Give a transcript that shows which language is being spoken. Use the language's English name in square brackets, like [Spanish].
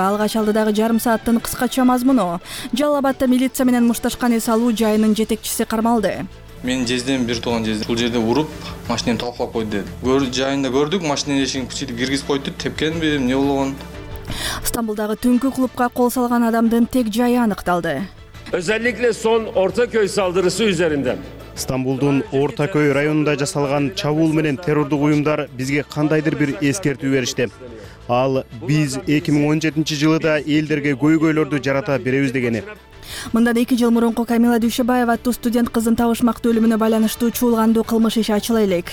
[Kyrgyz] Алгач алдыдагы жарым сааттын кыскача мазмуну. Жалал Абадта милиция менен мушташкан эс алуу жайынын жетекчиси кармалды. Мен жездем бир тууган жездем бул жерде уруп машинени талкалап койду деди. Жайында көрдүк машиненин эшигин күчтүү киргизип койду деп тепкенби, эмне болгон? Стамбулдагы түнкү клубка кол салган адамдын тек жайы аныкталды. [Turkish] Özellikle son Ortaköy saldırısı üzerinde. [Kyrgyz] Стамбулдун Ортаköy районунда жасалган чабуул менен террордук уюмдар бизге кандайдыр бир эскертүү беришти. Ал биз 2017 жылы да элдерге көйгөйлөрдү жарата беребиз дегени. Мындан 2 жыл мурунку Камила Дүйшөбаева аттуу студент кызын табышмакты өлүмүнө байланыштуу чуулгандуу кылмыш иши ачыла элек.